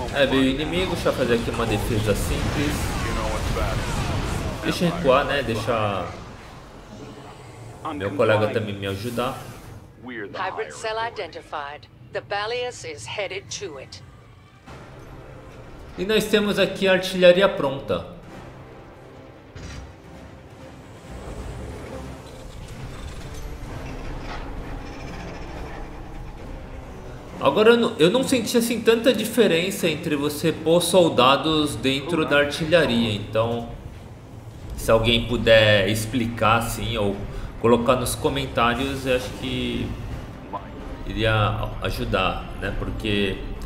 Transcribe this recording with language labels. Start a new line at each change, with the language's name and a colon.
Portuguese: Veio o inimigo, deixa eu fazer aqui uma defesa simples. Deixa eu recuar, né? Deixa meu colega também me ajudar.
English: Hybrid cell identified. The Balias is headed to it.
Portuguese: E nós temos aqui a artilharia pronta. Agora, eu não senti assim tanta diferença entre você pôr soldados dentro da artilharia, então se alguém puder explicar assim ou colocar nos comentários, eu acho que iria ajudar, né? Porque